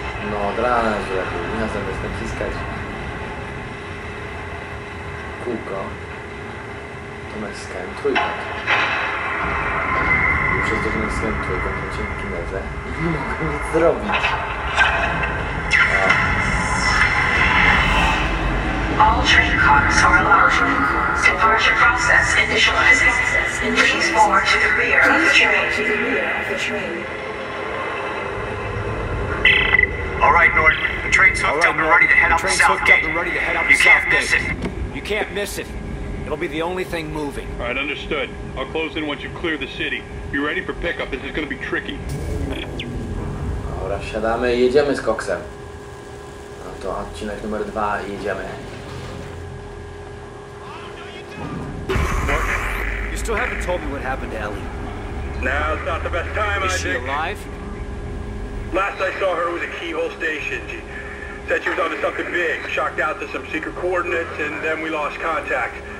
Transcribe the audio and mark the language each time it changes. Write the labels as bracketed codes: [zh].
[pl] No od rana, że lepiej nie zamiast naciskać kółko, to naciskałem trójkąt. I przez to, że naciskałem trójkąt, to cię kinezę i nie mogłem nic zrobić. [en] All train cars are alarmed. Departure process initializing. Please forward to the rear of the train. All right, Norton. The train's hooked up and ready to head out the south gate. You can't miss it. You can't miss it. It'll be the only thing moving. All right, understood. I'll close in once you clear the city. Be ready for pickup. This is going to be tricky. [pl] Dobra, siadamy i jedziemy z koksem. No to odcinek numer dwa i jedziemy. [en] You still haven't told me what happened to Ellie. Now's not the best time, I think. Is she alive? Last I saw her was a keyhole station. She said she was onto something big, shocked out to some secret coordinates, and then we lost contact.